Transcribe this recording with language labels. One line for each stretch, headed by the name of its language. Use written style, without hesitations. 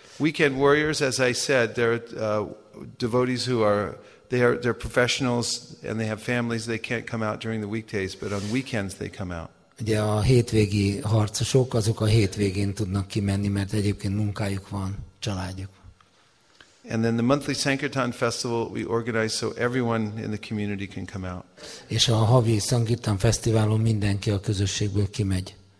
English: Weekend Warriors, as I said, they're devotees who are they're professionals and they have families. They can't come out during the weekdays, but on weekends they come out.
Hungarian: Ugye a hétvégi harcosok, azok a hétvégén tudnak kimenni, mert egyébként munkájuk van, családjuk.
English: And then the monthly Sankirtan festival we organize so everyone in the community can come out.
Hungarian: És a havi Sankirtan fesztiválon mindenki a közösségből kimegy.